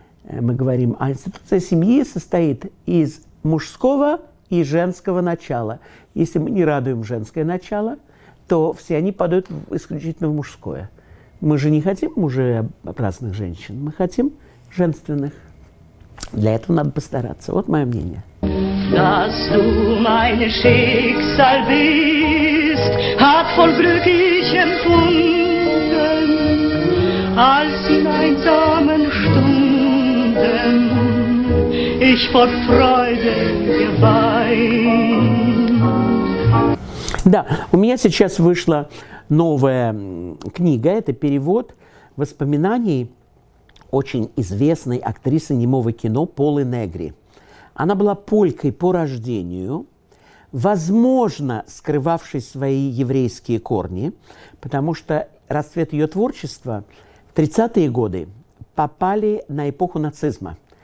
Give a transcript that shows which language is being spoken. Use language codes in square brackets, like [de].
[ru] Мы говорим, а институция семьи состоит из мужского и женского начала. Если мы не радуем женское начало, то все они падают исключительно в мужское. Мы же не хотим мужеобразных женщин, мы хотим женственных. Для этого надо постараться. Вот мое мнение. [de] Dass du mein Schicksal bist, hat voll Glück ich empfunden, als in einsamen Stunden ich vor Freude geweint. [ru] Да, у меня сейчас вышла новая книга, это перевод воспоминаний очень известной актрисы немого кино Полы Негри. Она была полькой по рождению, возможно, скрывавшей свои еврейские корни, потому что расцвет ее творчества в 30-е годы попали на эпоху нацизма.